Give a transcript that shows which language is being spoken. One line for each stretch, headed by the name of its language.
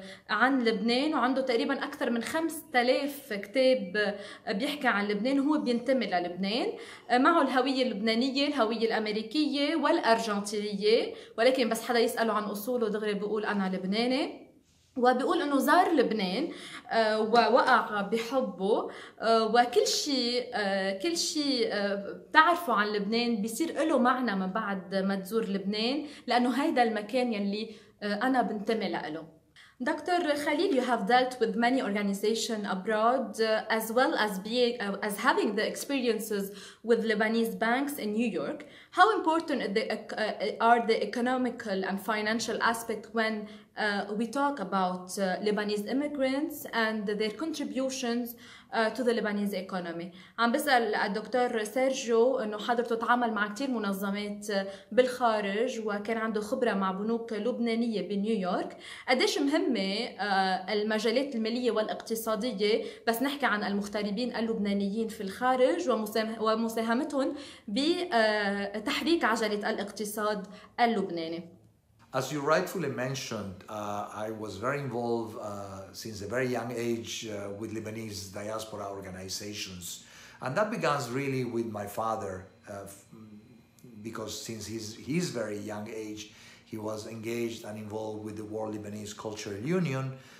Arabic: عن لبنان, وعنده تقريبا اكثر من 5000 كتاب بيحكي عن لبنان, هو بينتمي للبنان, معه الهويه اللبنانيه, الهويه الامريكيه والارجنتينيه, ولكن بس حدا يساله عن اصوله دغري بيقول انا لبناني, وبيقول انه زار لبنان ووقع بحبه, وكل شيء بتعرفه عن لبنان بيصير له معنى من بعد ما تزور لبنان, لانه هيدا المكان يلي انا بنتمي له.
English: Doctor خليل, you have dealt with many organizations abroad as well as being as having the experiences with Lebanese banks in New York. How important are the economical and financial aspect when we talk about Lebanese immigrants and their contributions to the Lebanese economy?
Arabic: عم بسأل الدكتور سيرجيو انه حضرته تعامل مع كتير منظمات بالخارج وكان عنده خبرة مع بنوك لبنانية بنيويورك, قديش مهمة المجالات المالية والاقتصادية بس نحكي عن المغتربين اللبنانيين في الخارج ومساهمتهم بتحريك عجلة الاقتصاد اللبناني.
English: As you rightfully mentioned, I was very involved since a very young age with Lebanese diaspora organizations. And that begins really with my father, because since his very young age, he was engaged and involved with the World Lebanese Cultural Union.